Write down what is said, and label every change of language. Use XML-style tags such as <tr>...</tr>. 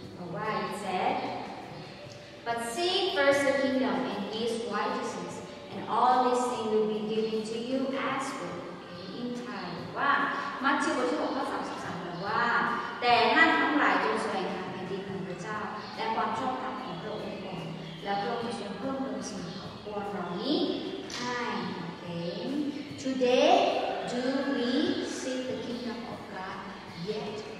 <en>Why it said, but seek first the kingdom and His righteousness, and all these things will be given to you as well. Okay, in time.</en> <th>ว่ามัทธิวบทที่6ข้อ33บอกว่าแต่นั่นทั้งหลายจงแสวงหาแผ่นดินของพระเจ้าและความชอบธรรมของพระองค์ก่อนแล้วพระองค์จะเพิ่มเติมสิ่งของพวกเรานี้ให้ Okay.</th> <en>Today, do we seek the kingdom of God yet?</en>